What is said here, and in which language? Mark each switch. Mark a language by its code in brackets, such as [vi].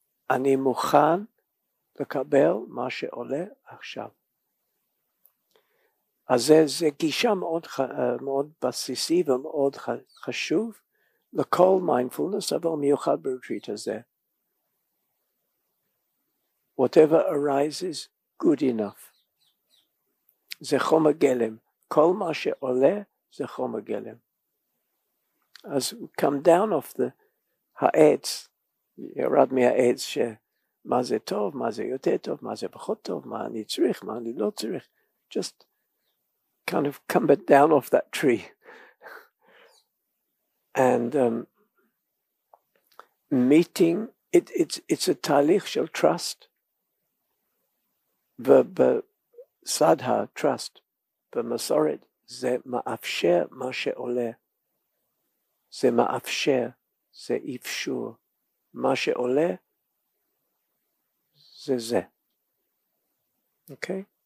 [he] אני מוכן לקבל מה שעולה עכשיו. אז זה גישה מאוד, מאוד בסיסי ומאוד חשוב לכל מיינדפולנס, אבל מיוחד ברטריט הזה. [en] Whatever arises, good enough. [he] זה חומר גלם. כל מה שעולה זה חומר גלם. אז [en] come down off the [he] העץ, ירד מהעץ שמה זה טוב, מה זה יותר טוב, מה זה פחות טוב, מה אני צריך, מה אני לא צריך. [en] Just kind of come down off that tree. And meeting, it's a [he] תהליך של [en] trust. [he] בסדה, trust, במסורת, זה מאפשר מה שעולה. זה מאפשר, זה אפשור. מה שעולה, זה זה. Okay?